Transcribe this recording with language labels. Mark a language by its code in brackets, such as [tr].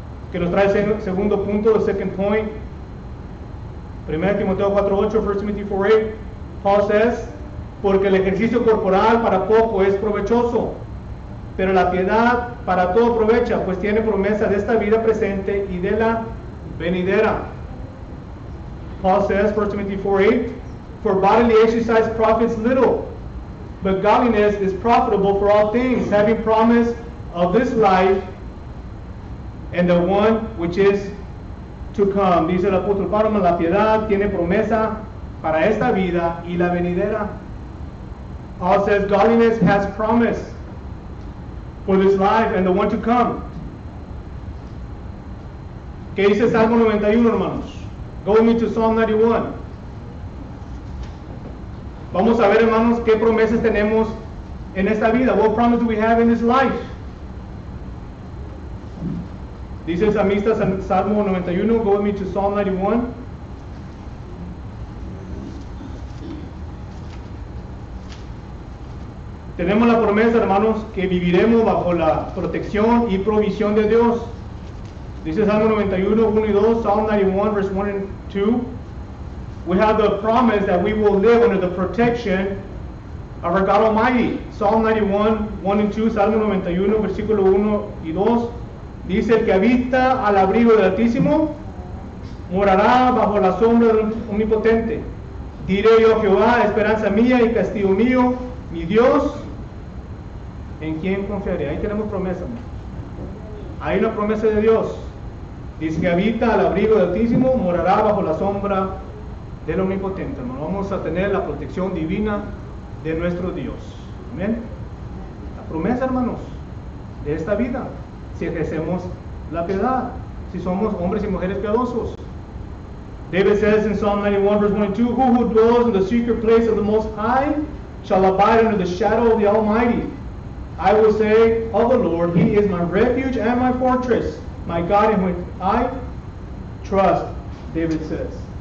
[es] Que nos trae el segundo punto, el [en] second point. [es] 1 Timoteo 4, 8, 1 Timothy 4, 8. [en] Paul says, [es] porque el ejercicio corporal para poco es provechoso, pero la piedad para todo provecha, pues tiene promesa de esta vida presente y de la venidera. [en] Paul says, 1 Timothy 4, 8, for bodily exercise profits little, but godliness is profitable for all things, having promise of this life and the one which is to come. [es] Dice el apóstol Pablo, la piedad tiene promesa para esta vida y la venidera. [en] Paul says, godliness has promise for this life and the one to come. [es] ¿Qué dice Salmo 91, hermanos? [en] Go with me to Psalm 91. [es] Vamos a ver, hermanos, qué promesas tenemos en esta vida. [en] What promise do we have in this life? [es] Dice el salmista, Salmo 91. [en] Go with me to Psalm 91. [es] Tenemos la promesa, hermanos, que viviremos bajo la protección y provisión de Dios. Dice Salmo 91, 1 y 2. [en] Psalm 91, verse 1 and 2. We have the promise that we will live under the protection of our God Almighty. Psalm 91, 1 and 2, [es] Salmo 91, versículo 1 y 2. Dice, el que habita al abrigo del Altísimo, morará bajo la sombra del Omnipotente. Diré yo, Jehová, esperanza mía y castillo mío, mi Dios, ¿en quién confiaré? Ahí tenemos promesa. Hay una promesa de Dios. Dice que habita al abrigo del Altísimo, morará bajo la sombra del Omnipotente, hermano. Vamos a tener la protección divina de nuestro Dios. Amén. La promesa, hermanos, de esta vida, si ejercemos la piedad, si somos hombres y mujeres piadosos. [en] David says in Psalm 91, verse 1 and 2, who dwells in the secret place of the Most High shall abide under the shadow of the Almighty. I will say of the Lord, He is my refuge and my fortress, my God in whom I trust, David says.